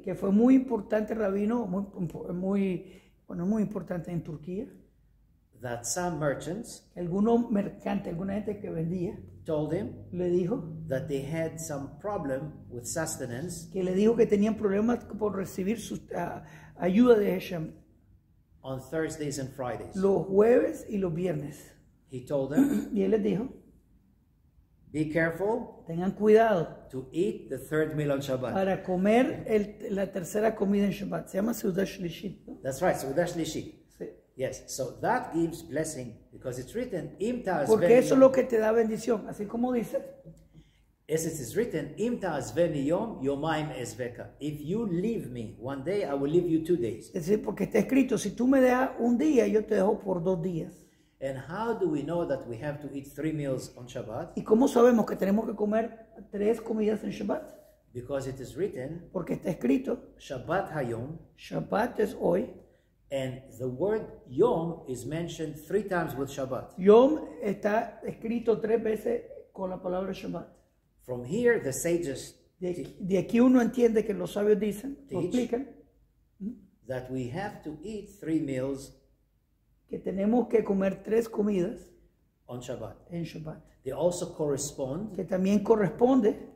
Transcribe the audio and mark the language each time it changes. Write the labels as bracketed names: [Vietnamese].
[Spanish] que fue muy importante rabino, muy importante en Turquía. [English] That some merchants, [Spanish] alguno mercante, alguna gente que vendía, [English] told him, [Spanish] le dijo, [English] that they had some problem with sustenance, [Spanish] que le dijo que tenían problemas por recibir su ayuda de Hashem, [English] on Thursdays and Fridays, [Spanish] los jueves y los viernes. [English] He told them, [Spanish] y él les dijo, [English] be careful, [Spanish] tengan cuidado, [English] to eat the third meal on Shabbat, [Spanish] para comer la tercera comida en Shabbat. Se llama Seudah Shlishit, ¿no? [English] That's right, Seudah Shlishit. Yes, so that gives blessing because it's written, [Hebrew] Imta Asveni. [Spanish] Porque eso es lo que te da bendición, así como dice. [English] As it is written, [Hebrew] Imta Asveni Yom, Yomaim Esveka. [English] If you leave me one day, I will leave you 2 days. [Spanish] Es decir, porque está escrito, si tú me dejas un día, yo te dejo por 2 días. [English] And how do we know that we have to eat 3 meals on Shabbat? [Spanish] ¿Y cómo sabemos que tenemos que comer 3 comidas en Shabbat? [English] Because it is written, [Spanish] porque está escrito, [Hebrew] Shabbat Hayom, [Spanish] Shabbat es hoy. [English] And the word Yom is mentioned 3 times with Shabbat. [Spanish] Yom está escrito 3 veces con la palabra Shabbat. [English] From here, the sages, [Spanish] de aquí uno entiende que los sabios dicen, explican, [English] that we have to eat 3 meals, [Spanish] que tenemos que comer 3 comidas [English] on Shabbat. [Spanish] En Shabbat. [English] They also correspond, [Spanish] que también corresponde,